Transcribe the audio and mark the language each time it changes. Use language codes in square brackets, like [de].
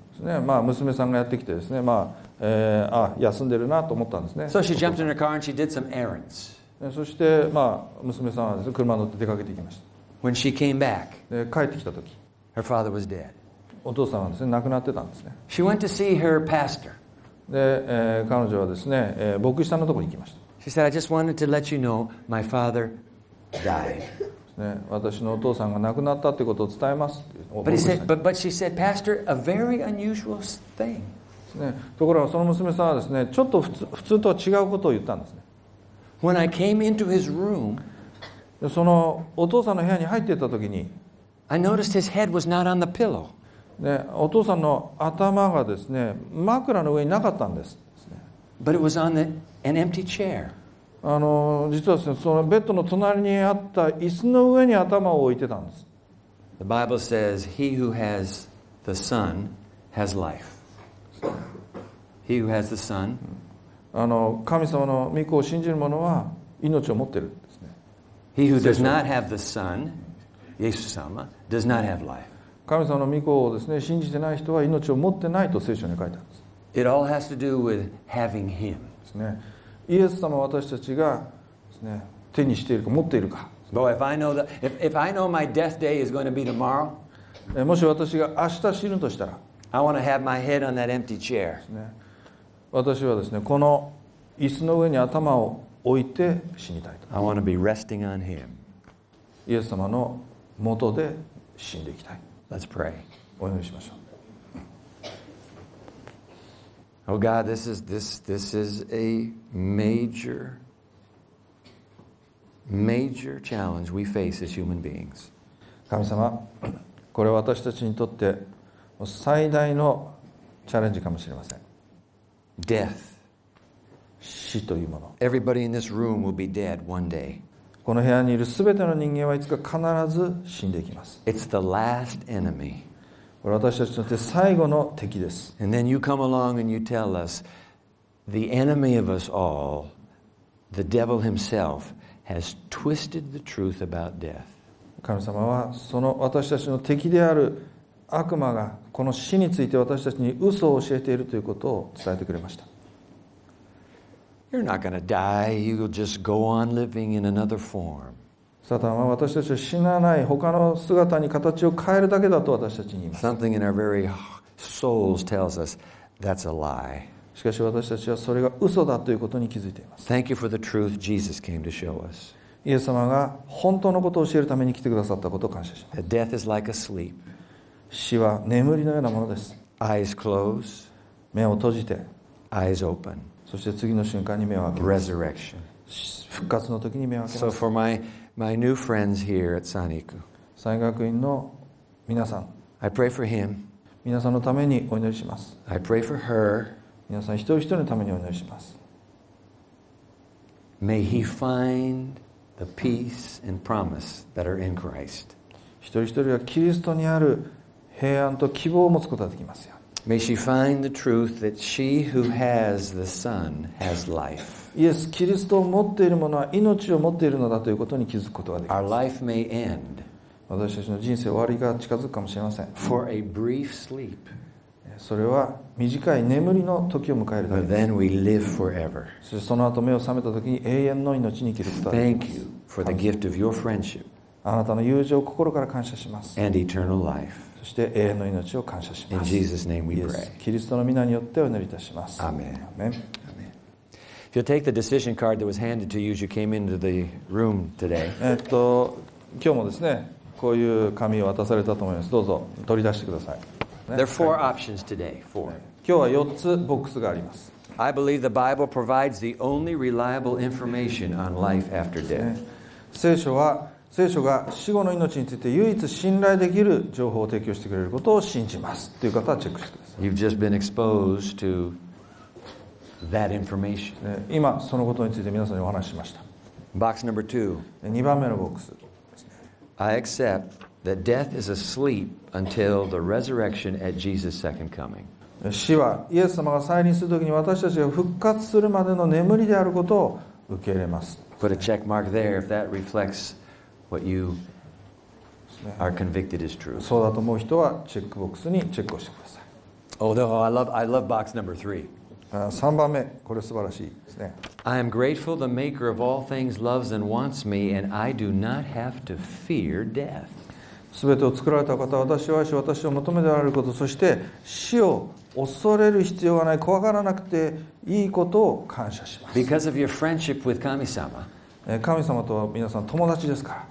[ja] ですね。まあ、娘さんがやってきてですね、まあ、休んでるなと思ったんですね。 [en] So she jumped in her car and she did some errands. [ja] そして、まあ、娘さんはですね、車乗って出かけていきました。 [en] When she came back, [ja] 帰ってきた時、 [en] her father was dead. [ja] お父さんはですね、亡くなってたんですね。 [en] She went to see her pastor. [ja] で、彼女はですね、牧師さんのところに行きました。 [en] She said, I just wanted to let you know my father died. [ja] ですね、私のお父さんが亡くなったってことを伝えますっていう。 [en] But, he said, but she said, Pastor, a very unusual thing. [ja] ですね、ところがその娘さんはですね、ちょっと普通とは違うことを言ったんですね。 [en] When I came into his room, [ja] そのお父さんの部屋に入っていったときに、 [en] I noticed his head was not on the pillow. [ja] ね、お父さんの頭がですね、枕の上になかったんです。 [en] But it was on an empty chair. [ja] 実はですね、そのベッドの隣にあった椅子の上に頭を置いてたんです。 [en] The Bible says, He who has the Son has life. He who has the Son. [ja] 神様の御子を信じる者は命を持ってるんですね。 [en] He who does not have the Son, イエス様, does not have life. [ja] 神様の御子をですね、信じてない人は命を持ってないと聖書に書いてあるんです。 [en] It all has to do with having him. [ja] ですね。イエス様は私たちがですね、手にしているか持っているか。 [en] Boy, if I know that, if I know my death day is going to be tomorrow, [ja] もし私が明日死ぬとしたら、 [en] I want to have my head on that empty chair. [ja] ですね。私はですね、この椅子の上に頭を置いて死にたいと。 [en] I want to be resting on him. [ja] イエス様の元で死んでいきたい。 [en] Let's pray. [ja] お祈りしましょう。 [en] Oh God, this is a major challenge we face as human beings. [ja] 神様、これは私たちにとって最大のチャレンジかもしれません。 [en] Death. [ja] 死というもの。 [en] Everybody in this room will be dead one day. [ja] この部屋にいるすべての人間はいつか必ず死んでいきます。 [en] It's the last enemy. [ja] これは私たちにとって最後の敵です。 [en] And then you come along and you tell us, the enemy of us all, the devil himself, has twisted the truth about death. [ja] 神様はその私たちの敵である悪魔がこの死について私たちに嘘を教えているということを伝えてくれました。 [en] You're not gonna die. You'll just go on living in another form. [ja] サタンは私たちは死なない他の姿に形を変えるだけだと私たちに言います。 [en] Something in our very souls tells us that's a lie. [ja] しかし私たちはそれが嘘だということに気づいています。 [en] Thank you for the truth Jesus came to show us. [ja] イエス様が本当のことを教えるために来てくださったことを感謝します。 [en] Death is like a sleep. [ja] 死は眠りのようなものです。 [en] Eyes close. [ja] 目を閉じて。 [en] Eyes open. [ja] そして次の瞬間に目を開けます。 [en] Resurrection. [ja] 復活の時に目を開けます。 [en] So for my new friends here at Saniku. [ja] 山岳院の皆さん。 [en] I pray for him. [ja] 皆さんのためにお祈りします。 [en] I pray for her. [ja] 皆さん一人一人のためにお祈りします。 [en] May he find the peace and promise that are in Christ. [ja] 一人一人がキリストにある平安と希望を持つことができますよ。 [en] May she find the truth that she who has the Son has life. [ja] イエス、キリストを持っている者は命を持っているのだということに気づくことができます。 [en] Our life may end. [ja] 私たちの人生終わりが近づくかもしれません。 [en] For a brief sleep. [ja] それは短い眠りの時を迎えるだけです。 [en] Then we live forever. [ja] そしてその後目を覚めた時に永遠の命に生きることができます。 [en] Thank you for the gift of your friendship. [ja] あなたの友情を心から感謝します。 [en] And eternal life. [ja] そして永遠の命を感謝します。 [en] In Jesus' name we pray. [ja] キリストの名によってお祈りいたします。 [en] Amen. Amen. Amen. If you take the decision card that was handed to you as you came into the room today. [ja] 今日もですね、こういう紙を渡されたと思います。どうぞ取り出してください。 [en] There are four options today. Four. [ja] 今日は4つボックスがあります。 [en] I believe the Bible provides the only reliable information on life after death. [ja] 聖書が死後の命について唯一信頼できる情報を提供してくれることを信じます。という方はチェックしてください。 [en] You've just been exposed to that information. [ja] 今そのことについて皆さんにお話ししました。 [en] Box number two. [ja] 2番目のボックス。 [en] I accept. That death is asleep until the resurrection at Jesus' second coming. [ja] 死はイエス様が再臨するときに私たちが復活するまでの眠りであることを受け入れます。 [en] Put a check mark there if that reflects what you are convicted is true. [ja] そうだと思う人はチェックボックスにチェックをしてください。 [en] Although I love box number three. [ja] 3番目、これ素晴らしいですね。 [en] I am grateful the maker of all things loves and wants me and I do not have to fear death. [ja] すべてを作られた方は私を愛し私を求めておられることそして死を恐れる必要がない怖がらなくていいことを感謝します [en] Because of your friendship with 神様 [ja] 神様とは皆さん友達ですから